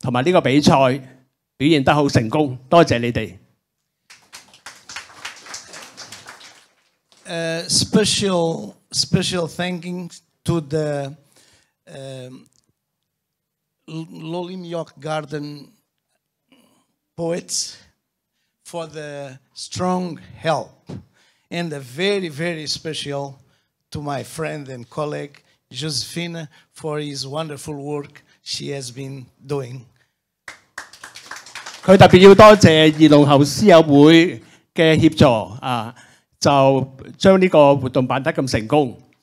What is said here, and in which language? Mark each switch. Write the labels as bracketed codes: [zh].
[zh] 他說多謝了新和舊的老朋友,多謝你們的參與,使到今晚這個節目和這個比賽表現得很成功,多謝你們。 [en] Special thanking to the Lolimiok Garden poets for the strong help, and a very, very special to my friend and colleague Josefina for his wonderful work she has been doing. [zh] 他特別要多謝兒童後思友會的協助，就將這個活動辦得這麼成功。